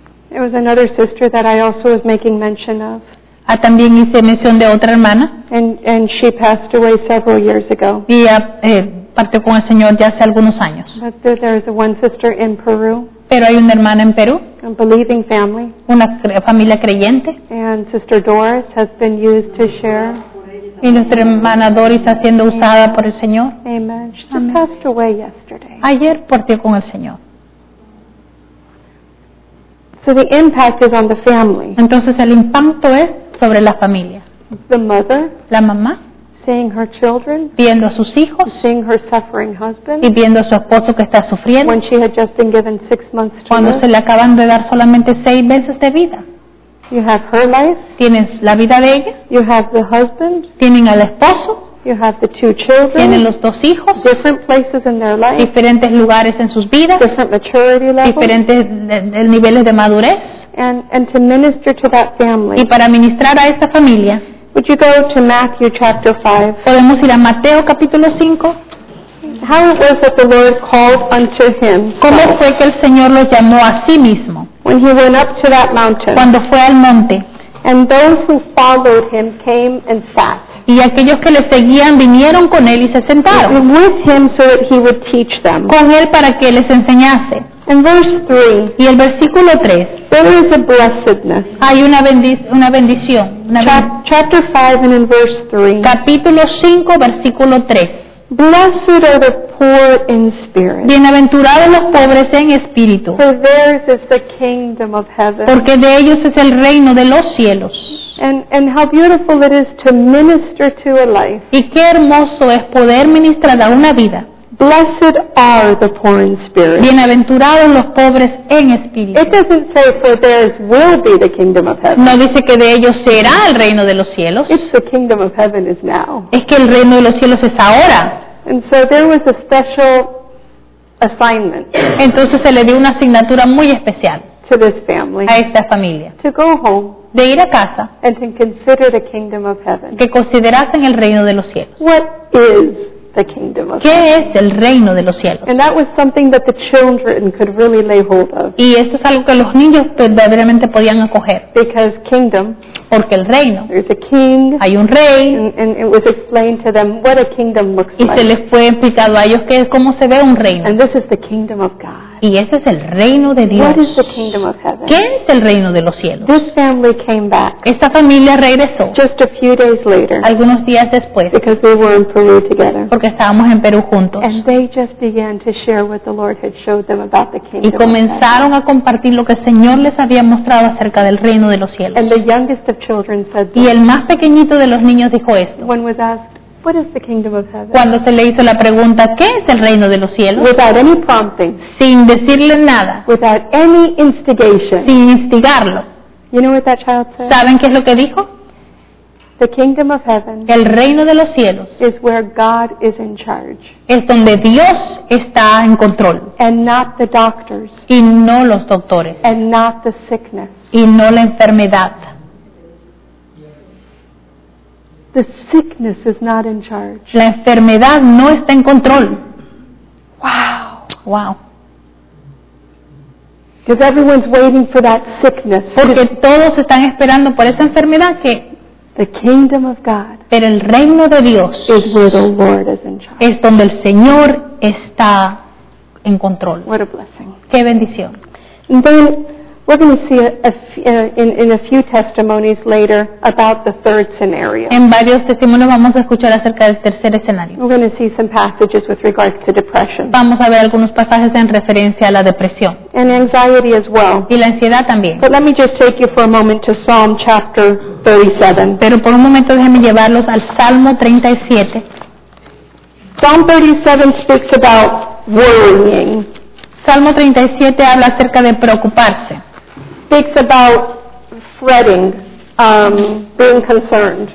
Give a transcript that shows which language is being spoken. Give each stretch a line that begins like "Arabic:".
English: There was another sister that I also was making mention of.
Spanish: Ah, también hice mención de otra hermana.
English: And she passed away several years ago.
Spanish: Y ella partió con el Señor ya hace algunos años.
English: But there is one sister in Peru.
Spanish: Pero hay una hermana en Perú.
English: A believing family.
Spanish: Una familia creyente.
English: And Sister Doris has been used to share.
Spanish: Y nuestra hermana Doris está siendo usada por el Señor.
English: Amen. She just passed away yesterday.
Spanish: Ayer partió con el Señor.
English: So the impact is on the family.
Spanish: Entonces el impacto es sobre la familia.
English: The mother.
Spanish: La mamá.
English: Seeing her children.
Spanish: Viendo a sus hijos.
English: Seeing her suffering husband.
Spanish: Y viendo a su esposo que está sufriendo.
English: When she had just been given 6 months to
Spanish: cuando
English: live.
Spanish: Se le acaban de dar solamente 6 meses de vida.
English: You have her life.
Spanish: Tienes la vida de ella.
English: You have the husband.
Spanish: Tienen al esposo.
English: You have the two children.
Spanish: Tienen los dos hijos.
English: Different places in their life.
Spanish: Diferentes lugares en sus vidas.
English: Different maturity levels.
Spanish: Diferentes niveles de madurez.
English: And to minister to that family.
Spanish: Y para ministrar a esta familia.
English: Would you go to Matthew chapter 5?
Spanish: Podemos ir a Mateo capítulo 5.
English: How it was that the Lord called unto him.
Spanish: ¿Cómo fue que el Señor los llamó a sí mismo?
English: When he went up to that mountain.
Spanish: Cuando fue al monte.
English: And those who followed him came and sat.
Spanish: Y aquellos que le seguían vinieron con él y se sentaron.
English: With him so that he would teach them.
Spanish: Con él para que les enseñase.
English: In verse 3.
Spanish: Y el versículo 3.
English: There is a blessedness.
Spanish: Hay una bendición.
English: Chapter 5 and in verse 3.
Spanish: Capítulo 5, versículo 3.
English: Blessed are the poor in spirit.
Spanish: Bienaventurados los pobres en espíritu.
English: For theirs is the kingdom of heaven.
Spanish: Porque de ellos es el reino de los cielos.
English: And how beautiful it is to minister to a life.
Spanish: Y qué hermoso es poder ministrar a una vida.
English: Blessed are the poor in spirit.
Spanish: Bienaventurados los pobres en espíritu.
English: It doesn't say for theirs will be the kingdom of heaven.
Spanish: No dice que de ellos será el reino de los cielos.
English: It's the kingdom of heaven is now.
Spanish: Es que el reino de los cielos es ahora.
English: And so there was a special assignment.
Spanish: Entonces se le dio una asignatura muy especial.
English: To this family.
Spanish: A esta familia.
English: To go home.
Spanish: De ir a casa.
English: And to consider the kingdom of heaven.
Spanish: Que considerasen el reino de los cielos.
English: What is the kingdom of
Spanish: ¿qué
English: heaven?
Spanish: Es el reino de los cielos?
English: And that was something that the children could really lay hold of.
Spanish: Y eso es algo que los niños verdaderamente podían acoger.
English: Because kingdom.
Spanish: porque el reino.
English: There's a king.
Spanish: Hay un rey.
English: And it was explained to them what a kingdom looks like.
Spanish: Y se les fue explicado a ellos que es cómo se ve un reino.
English: And this is the kingdom of God.
Spanish: Y ese es el reino de Dios.
English: What is the kingdom of heaven?
Spanish: ¿Qué es el reino de los cielos?
English: This family came back.
Spanish: Esta familia regresó.
English: Just a few days later.
Spanish: Algunos días después.
English: Because they were in Peru together.
Spanish: Porque estábamos en Perú juntos.
English: And they just began to share what the Lord had showed them about the kingdom.
Spanish: Y comenzaron a compartir lo que el Señor les había mostrado acerca del reino de los cielos.
English: And the youngest of children said this.
Spanish: Y el más pequeñito de los niños dijo esto.
English: When was asked, what is the kingdom of heaven?
Spanish: Cuando se le hizo la pregunta, ¿qué es el reino de los cielos?
English: Without any prompting.
Spanish: Sin decirle nada.
English: Without any instigation.
Spanish: Sin instigarlo.
English: You know what that child said?
Spanish: ¿Saben qué es lo que dijo?
English: The kingdom of heaven.
Spanish: El reino de los cielos.
English: Is where God is in charge.
Spanish: Es donde Dios está en control.
English: And not the doctors.
Spanish: Y no los doctores.
English: And not the sickness.
Spanish: Y no la enfermedad.
English: The sickness is not in charge.
Spanish: La enfermedad no está en control.
English: Wow.
Spanish: Wow.
English: Because everyone's waiting for that sickness.
Spanish: Porque todos están esperando por esa enfermedad que.
English: The kingdom of God.
Spanish: Pero el reino de Dios.
English: Is where the Lord is in charge.
Spanish: Es donde el Señor está en control.
English: What a blessing.
Spanish: Qué bendición.
English: And then we're going to see in a few testimonies later about the third scenario.
Spanish: En varios testimonios vamos a escuchar acerca del tercer escenario.
English: We're going to see some passages with regards to depression.
Spanish: Vamos a ver algunos pasajes en referencia a la depresión.
English: And anxiety as well.
Spanish: Y la ansiedad también.
English: But let me just take you for a moment to Psalm chapter 37.
Spanish: Pero por un momento déjenme llevarlos al Salmo 37.
English: Psalm 37 speaks about worrying.
Spanish: Salmo 37 habla acerca de preocuparse.
English: Speaks about fretting, being concerned.